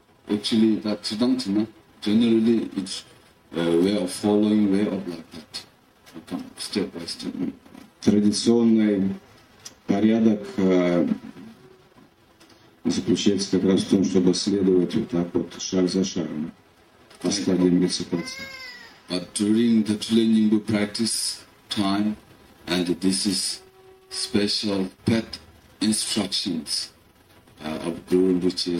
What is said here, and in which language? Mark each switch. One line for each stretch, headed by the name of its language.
English: Actually, that Siddhantana, generally, it's a way of following, way of like that, step by step.
Russian: Традиционный порядок заключается как раз в том, чтобы следовать вот так вот, шаг за шагом, по стадиям рецитации.
English: But during the training, we practice time, and this is special path instructions of Guru Rinpoche.